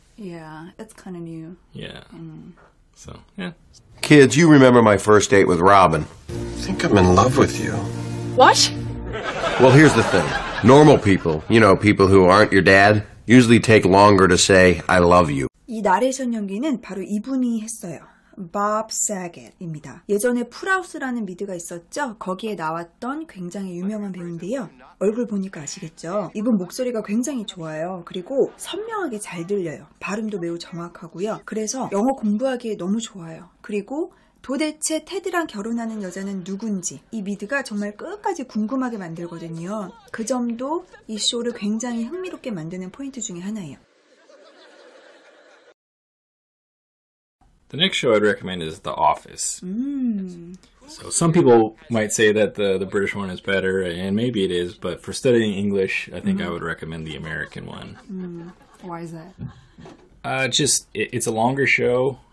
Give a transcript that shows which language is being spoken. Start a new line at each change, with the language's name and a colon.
English: Yeah, it's kind of new. Yeah. So, yeah. Kids, you remember my first date with Robin. I think I'm in love with you. What? Well, here's the thing. Normal people, you know, people who aren't your dad, usually take longer to say, I love you.
Korean: 이 나레이션 연기는 바로 이분이 했어요. Bob Saget입니다. 예전에 풀하우스라는 미드가 있었죠? 거기에 나왔던 굉장히 유명한 배우인데요. 얼굴 보니까 아시겠죠? 이분 목소리가 굉장히 좋아요. 그리고 선명하게 잘 들려요. 발음도 매우 정확하고요. 그래서 영어 공부하기에 너무 좋아요. 그리고 도대체 테드랑 결혼하는 여자는 누군지 이 미드가 정말 끝까지 궁금하게 만들거든요. 그 점도 이 쇼를 굉장히 흥미롭게 만드는 포인트 중에 하나예요.
English: The next show I'd recommend is The Office. So some people might say that the British one is better, and maybe it is, but for studying English, I think I would recommend the American one. Why is that? It's a longer show.